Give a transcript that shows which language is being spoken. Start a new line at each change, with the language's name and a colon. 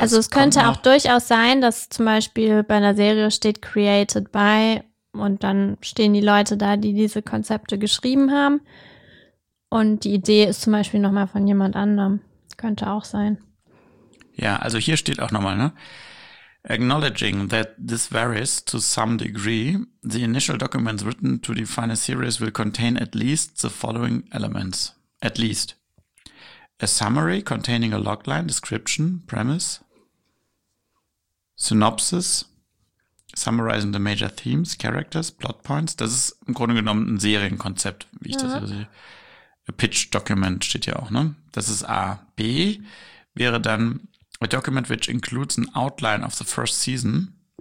German: also es könnte auch durchaus sein, dass zum Beispiel bei einer Serie steht Created By Und dann stehen die Leute da, die diese Konzepte geschrieben haben. Und die Idee ist zum Beispiel nochmal von jemand anderem. Könnte auch sein. Ja, also hier steht auch nochmal, ne?
English: Acknowledging that this varies to some degree, the initial documents written to define a series will contain at least the following elements. At least. A summary containing a logline, description, premise, synopsis, summarizing the major themes, characters, plot points.
German: Das ist im Grunde genommen ein Serienkonzept, wie ich das sehe.
English: A pitch document
German: steht ja auch, ne? Das ist A. B wäre dann
English: a document which includes an outline of the first season.